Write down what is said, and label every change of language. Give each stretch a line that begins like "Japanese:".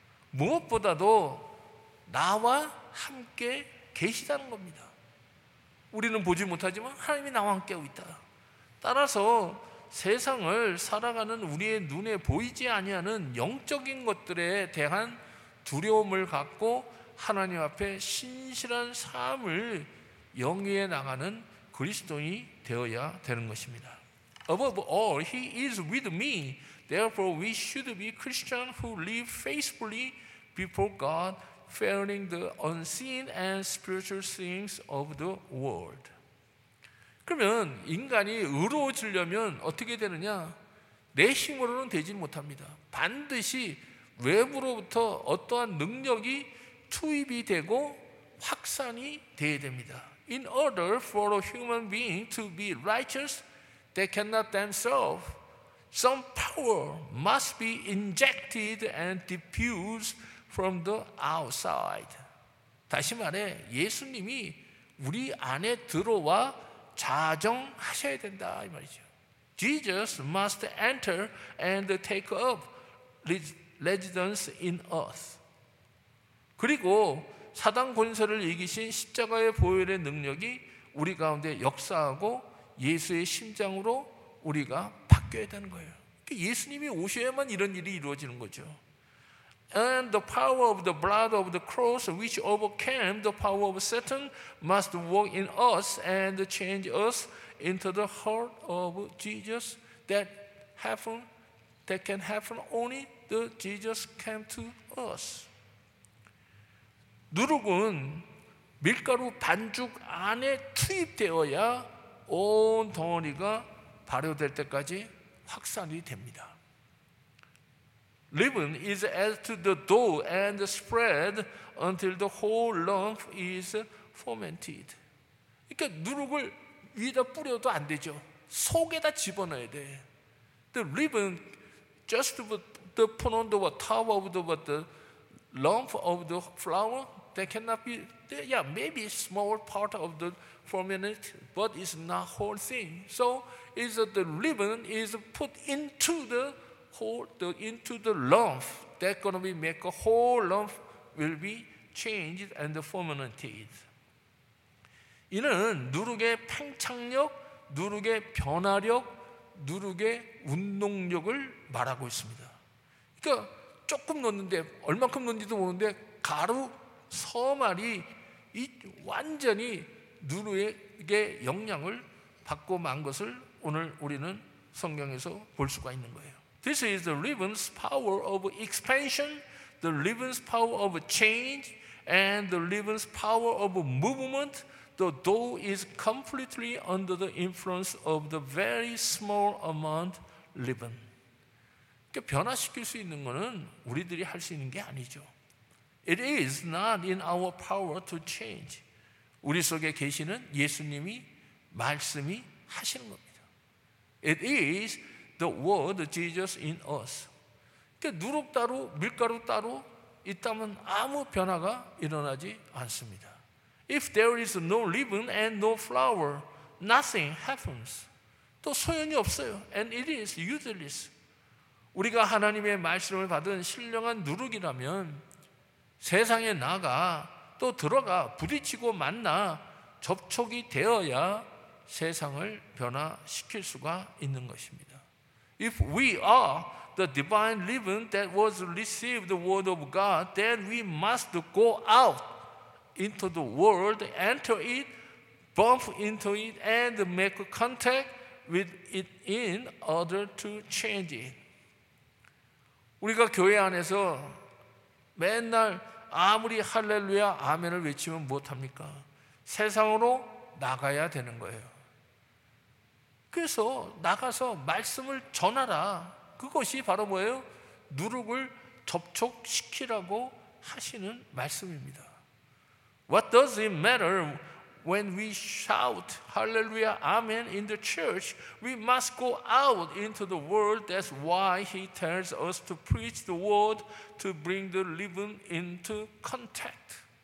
Korean: 무엇보다도 나와 함께 계시다는 겁니다. 우리는 보지 못하지만 하나님이 나와 함께 하고 있다. 따라서 세상을 살아가는 우리의 눈에 보이지 아니하는 영적인 것들에 대한 두려움을 갖고 하나님 앞에 신실한 삶을 영위해 나가는 그리스도인이 되어야 되는 것입니다.
English: Above all, he is with me. Therefore, we should be Christians who live faithfully before God, fearing the unseen and spiritual things of the world.
Korean: 그러면 인간이 의로워지려면 어떻게 되느냐? 내 힘으로는 되지 못합니다. 반드시 외부로부터 어떠한 능력이 투입이 되고 확산이 돼야 됩니다.
English: In order for a human being to be righteous, they cannot themselves. Some power must be injected and diffused from the outside.
Korean: 다시 말해 예수님이 우리 안에 들어와 자정하셔야 된다 이 말이죠.
English: Jesus must enter and take up residence in us.
Korean: 그리고 사단 권세를 이기신 십자가의 보혈의 능력이 우리 가운데 역사하고 예수의 심장으로 우리가 바뀌어야 되는 거예요. 예수님이 오셔야만 이런 일이 이루어지는 거죠.
English: And the power of the blood of the cross which overcame the power of Satan must work in us and change us into the heart of Jesus that can happen only the Jesus came to us.
Korean: 누룩은 밀가루 반죽 안에 투입되어야 온 덩어리가 발효될 때까지 확산이 됩니다.
English: Leaven is added to the dough and spread until the whole lump is fermented.
Korean: 그러니까 누룩을 위에다 뿌려도 안 되죠. 속에다 집어넣어야 돼.
English: The leaven just put on the top of the lump of the flour. They cannot be, maybe a small part of the ferment, but it's not whole thing. So is that the leaven is put into the whole, into the lump. That's going to be make a whole lump will be changed and fermented.
Korean: 이는 누룩의 팽창력, 누룩의 변화력, 누룩의 운동력을 말하고 있습니다. 그러니까 조금 넣는데, 얼만큼 넣는지도 모르는데 가루 서말이 이 완전히 누룩에게 영향을 받고 만 것을 오늘 우리는 성경에서 볼 수가 있는 거예요.
English: This is the leaven's power of expansion, the leaven's power of change, and the leaven's power of movement. The dough is completely under the influence of the very small amount leaven.
Korean: 그러니까 변화시킬 수 있는 것은 우리들이 할 수 있는 게 아니죠.
English: It is not in our power to change.
Korean: 우리 속에 계시는 예수님이 말씀이 하시는 겁니다.
English: It is the word Jesus in us.
Korean: 그러니까 누룩 따로 밀가루 따로 있다면 아무 변화가 일어나지 않습니다.
English: If there is no leaven and no flour, nothing happens.
Korean: 또 소용이 없어요.
English: And it is useless.
Korean: 우리가 하나님의 말씀을 받은 신령한 누룩이라면 세상에 나가 또 들어가 부딪히고 만나 접촉이 되어야 세상을 변화시킬 수가 있는 것입니다.
English: If we are the divine leaven that was received the word of God, then we must go out into the world, enter it, bump into it, and make contact with it in order to change it.
Korean: 우리가 교회 안에서 맨날 아무리 할렐루야 아멘을 외치면 못합니까? 세상으로 나가야 되는 거예요. 그래서 나가서 말씀을 전하라. 그것이 바로 뭐예요? 누룩을 접촉시키라고 하시는 말씀입니다.
English: What does it matter when we shout hallelujah, amen in the church? We must go out into the world. That's why he tells us to preach the word to bring the living into contact.